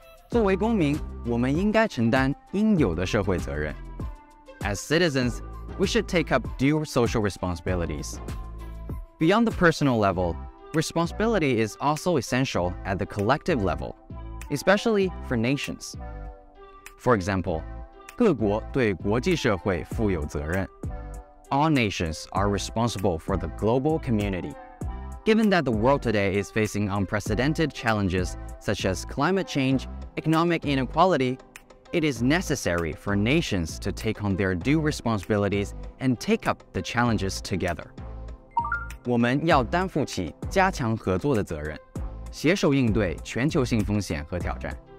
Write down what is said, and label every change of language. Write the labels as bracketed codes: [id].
[zh] 作为公民，我们应该承担应有的社会责任。 [en] As citizens, we should take up due social responsibilities. Beyond the personal level, responsibility is also essential at the collective level, especially for nations. For example, [zh] 各国对国际社会负有责任。 [en] All nations are responsible for the global community. Given that the world today is facing unprecedented challenges such as climate change, economic inequality, it is necessary for nations to take on their due responsibilities and take up the challenges together. [zh] 我们要担负起加强合作的责任，携手应对全球性风险和挑战。